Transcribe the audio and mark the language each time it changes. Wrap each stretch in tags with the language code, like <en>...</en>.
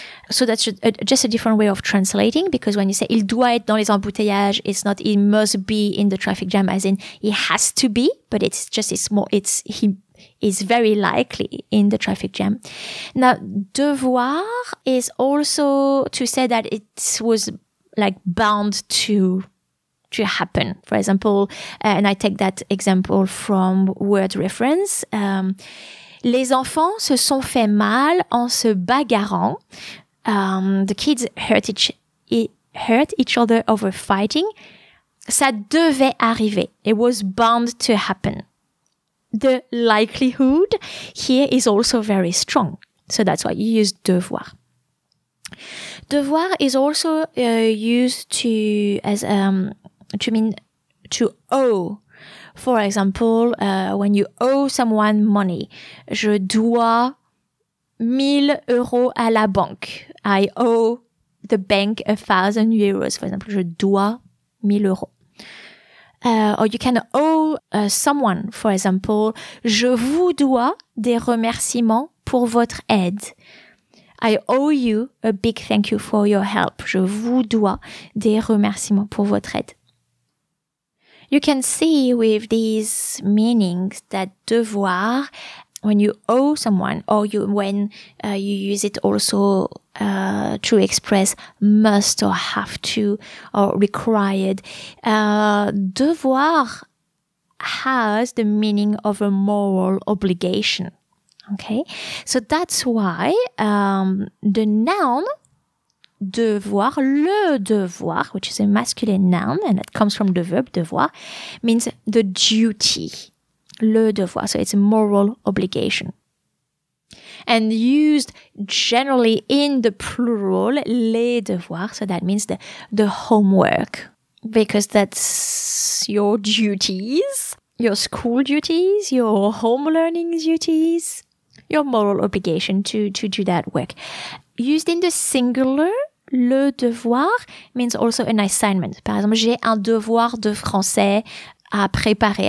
<en>So that's just a different way of translating, because when you say</en> <fr>il doit être dans les embouteillages,</fr> <en>it's not il must be in the traffic jam, as in he has to be, but it's just it's more, it's he is very likely in the traffic jam. Now, devoir is also to say that it was like bound to happen. For example, and I take that example from word reference.</en> <fr>Les enfants se sont fait mal en se bagarrant.</fr> <en>The kids hurt each other over fighting.</en> <fr>Ça devait arriver.</fr> <en>It was bound to happen. The likelihood here is also very strong. So that's why you use devoir. Devoir is also used to mean to owe. For example, when you owe someone money,</en> <fr>je dois 1,000 euros à la banque.</fr> <en>I owe the bank 1,000 euros. For example,</en> <fr>je dois 1,000 euros.</fr> <en>Or you can owe someone, for example,</en> <fr>je vous dois des remerciements pour votre aide.</fr> <en>I owe you a big thank you for your help.</en> <fr>Je vous dois des remerciements pour votre aide.</fr> <en>You can see with these meanings that devoir, when you owe someone, or you when you use it also to express must or have to or required, devoir has the meaning of a moral obligation. Okay, so that's why the noun devoir, le devoir, which is a masculine noun and it comes from the verb devoir, means the duty. Le devoir, so it's a moral obligation. And used generally in the plural, les devoirs, so that means the homework, because that's your duties, your school duties, your home learning duties, your moral obligation to do that work. Used in the singular, le devoir means also an assignment.</en> <fr>Par exemple, j'ai un devoir de français à préparer.</fr>